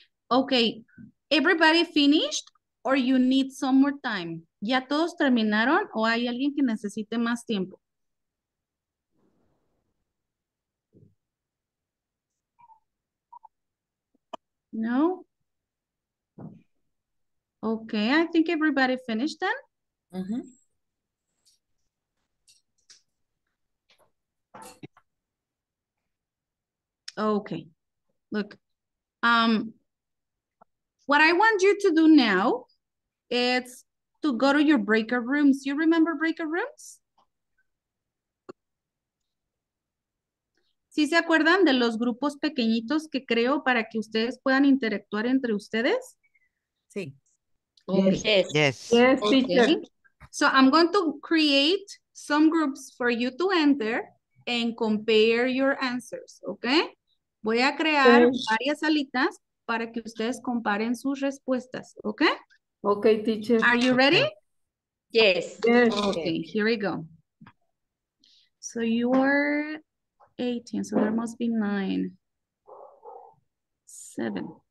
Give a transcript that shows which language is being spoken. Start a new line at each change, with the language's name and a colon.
English: Okay, everybody finished or you need some more time?
Spanish: ¿Ya todos terminaron o hay alguien que necesite más tiempo? No.
English: Okay, I think everybody finished then. Okay, look. What I want you to do now is to go to your breakout rooms. You remember breakout rooms?
Spanish: ¿Sí se acuerdan de los grupos pequeñitos que creo para que ustedes puedan interactuar entre ustedes? Sí.
English: Okay. Yes. Yes. Yes, okay. So I'm going to create some groups for you to enter and compare your answers, okay?
Spanish: Voy a crear varias salitas para que ustedes comparen sus respuestas, okay?
English: Okay, teacher. Are you ready? Okay. Yes. Yes. Okay, here we go. So you are 18, so there must be 9, 7.